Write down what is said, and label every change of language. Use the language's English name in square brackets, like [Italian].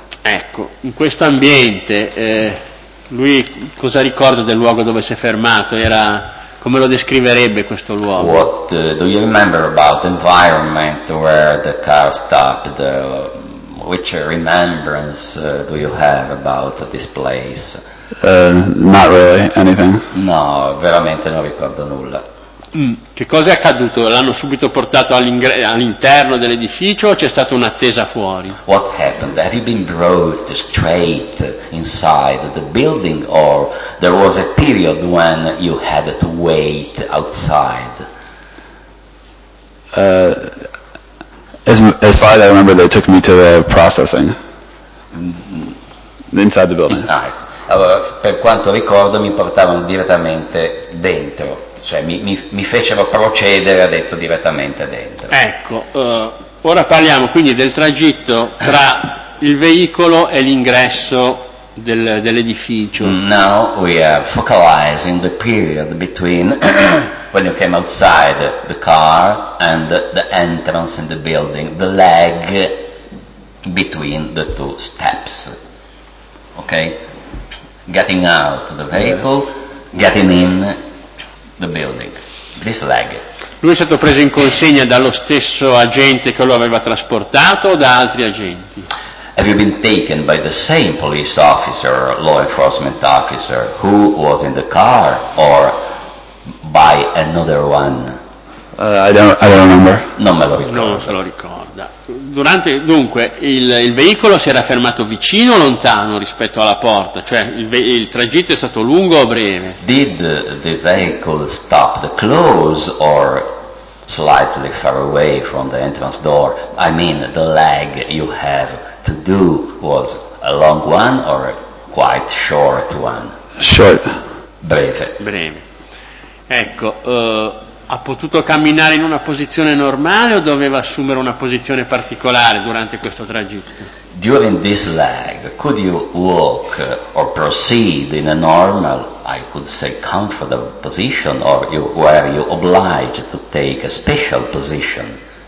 [Italian] Ecco, in questo ambiente, lui cosa ricorda del luogo dove si è fermato? Era, come lo descriverebbe questo luogo? [English] What do you remember about the environment where the car stopped? Which remembrance do you have about this place? Not really, anything. [Italian] No, veramente non ricordo nulla. Che cosa è accaduto? L'hanno subito portato all'interno dell'edificio o c'è stata un'attesa fuori? [English] What happened? Have you been brought straight inside the building or there was a period when you had to wait outside? As far as I remember, they took me to the processing inside the building. [Italian] Allora, per quanto ricordo, mi portavano direttamente dentro. Cioè mi fecero procedere, ha detto, direttamente dentro. Ecco, ora parliamo quindi del tragitto tra il veicolo e l'ingresso dell'edificio. [English] Now we are focalizing the period between when you came outside the car and the entrance in the building, the lag between the two steps. Ok? Getting out the vehicle, getting in the building, this leg. [Italian] Lui è stato preso in consegna dallo stesso agente che lo aveva trasportato o da altri agenti? [English] Have you been taken by the same police officer, law enforcement officer, who was in the car, or by another one? I don't remember. [Italian] Non me lo ricordo. Non se lo ricorda. Dunque, il veicolo si era fermato vicino o lontano rispetto alla porta? Cioè, il tragitto è stato lungo o breve? [English] Did the vehicle stop close or slightly far away from the entrance door? I mean, the lag you have to do was a long one or a quite short one? Short. [Italian] Breve. Ecco, ha potuto camminare in una posizione normale o doveva assumere una posizione particolare durante questo tragitto? [English] During this leg, could you walk or proceed in a normal, I could say, comfortable position, or were you obliged to take a special position?